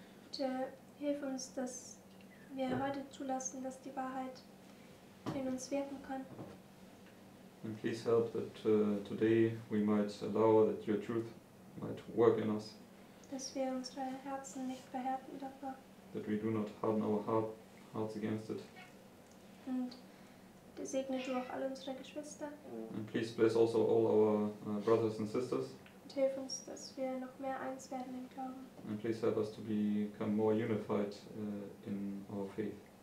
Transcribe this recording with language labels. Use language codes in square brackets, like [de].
[de] Bitte hilf uns, dass wir heute zulassen, dass die Wahrheit in uns wirken kann. [en] And please help that today we might allow that your truth might work in us. [de] Dass wir unsere Herzen nicht verhärten davor. [en] That we do not harden our hearts against it. [de] Und segne du auch alle unsere Geschwister. [en] And please bless also all our brothers and sisters. [de] Und hilf uns, dass wir noch mehr eins werden im Glauben. [en] And please help us to become more unified in our faith.